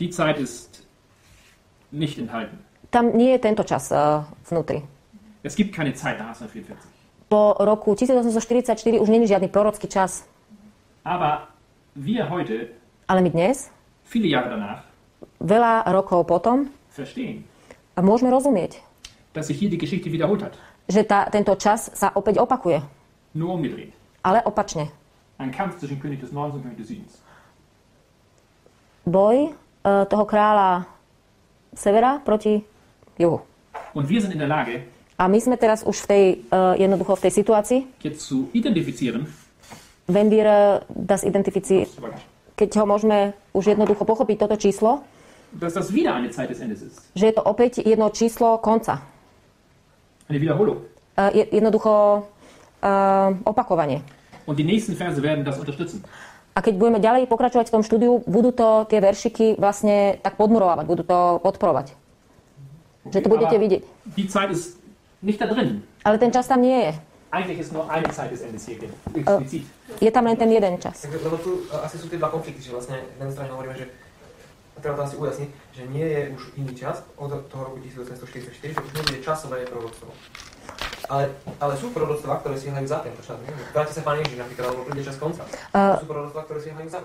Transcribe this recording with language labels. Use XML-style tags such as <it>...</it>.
<de>Die Zeit ist nicht enthalten.</de> <sk>Tam nie je tento čas vnútri.</sk> <de>Es gibt keine Zeit nach 1844.</de> <sk>Po roku 1844 už neni žiadny prorocký čas.</sk> <de>Aber wir heute,</de> <sk>ale my dnes,</sk> <de>viele Jahre danach,</de> <sk>veľa rokov potom a môžeme rozumieť,</sk> <de>dass sich hier die Geschichte wiederholt hat.</de> <sk>Že tento čas sa opäť opakuje.</sk> <de>Nur umgedreht.</de> <sk>Ale opačne.</sk> <de>Ein Kampf zwischen König des Nordens und König des Südens.</de> <sk>Boj toho kráľa Severa proti Juhu.</sk> <de>Und wir sind in der Lage,</de> <sk>a my sme teraz už v tej, jednoducho v tej situácii,</sk> <de>jetzt zu identifizieren, wenn wir das identifizieren,</de> <sk>keď ho môžeme už jednoducho pochopiť toto číslo,</sk> <de>dass das wieder eine Zeit des Endes ist.</de> <sk>Že je to opäť jedno číslo konca.</sk> <de>Eine Wiederholung.</de> <sk>Jednoducho opakovanie.</sk> <de>Und die nächsten Verse werden das unterstützen.</de> <sk>A keď budeme ďalej pokračovať v tom štúdiu, budú to tie veršiky vlastne tak podmurovať, budú to podporovať. Okay, že to budete vidieť.</sk> <de>Die Zeit ist nicht da drin.</de> <sk>Ale ten čas tam nie je.</sk> <de>Eigentlich ist nur eine Zeit des Endes hier explizit.</de> <sk>Je tam len ten jeden čas. Takže, lebo tu asi sú tie dva konflikty, že vlastne na jednej strane hovoríme, že treba to asi ujasniť, že nie je už iný čas od toho roku 1844, že už nebude časové proroctvo. Ale sú proroctvá, ktoré siahajú za tento čas. Vráti sa Pán Ježiš napríklad, alebo príde čas konca. Sú proroctvá, ktoré siahajú za...</sk>